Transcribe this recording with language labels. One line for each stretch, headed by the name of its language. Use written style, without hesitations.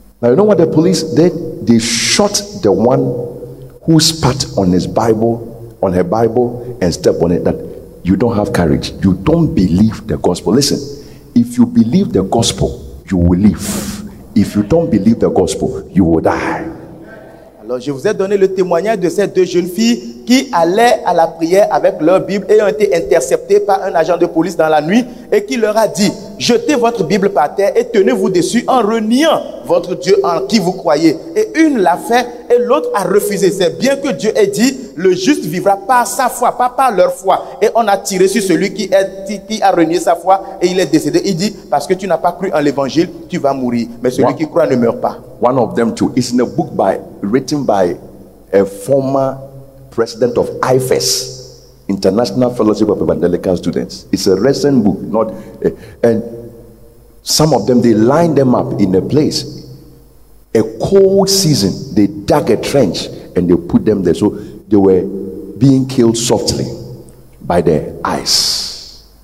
English: Now you know what the police did? They shot the one who spat on his Bible, on her Bible, and stepped on it. That you don't have courage. You don't believe the gospel. Listen, if you believe the gospel, you will live. If you don't believe the gospel, you will die.
French: Alors, je vous ai donné le témoignage de ces deux jeunes filles qui allaient à la prière avec leur Bible et ont été interceptées par un agent de police dans la nuit et qui leur a dit, jetez votre Bible par terre et tenez-vous dessus en reniant votre Dieu en qui vous croyez. Et une l'a fait et l'autre a refusé. C'est bien que Dieu ait dit, le juste vivra par sa foi, pas par leur foi. Et on a tiré sur celui qui a renié sa foi et il est décédé. Il dit, parce que tu n'as pas cru en l'évangile, tu vas mourir. Mais celui qui croit ne meurt pas.
English: One of them too. It's in a book written by a former president of IFES, International Fellowship of Evangelical Students. It's a recent book. And some of them, they lined them up in a place. A cold season, they dug a trench and they put them there. So they were being killed softly by the ice.